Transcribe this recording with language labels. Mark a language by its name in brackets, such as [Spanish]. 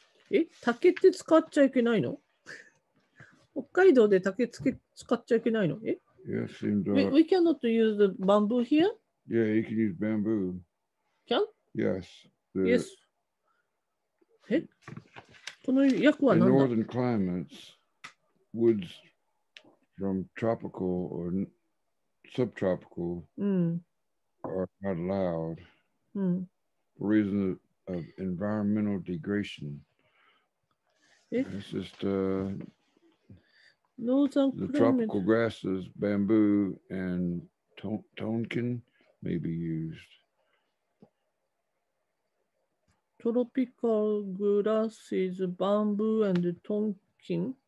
[Japanese] Eh, 竹って使っちゃいけないの？北海道で竹つけ使っちゃいけないの？ [English] Yes, we cannot use the bamboo here. Yeah, you can use bamboo. Can? Yes. Yes. [Japanese] この訳は何だ？ [English] In northern climates, woods from tropical or subtropical are not allowed for reason of environmental degradation. It's just northern the tropical grasses, bamboo and tonkin may be used. トロピカルグラスイズ、バンブーアンドトンキン。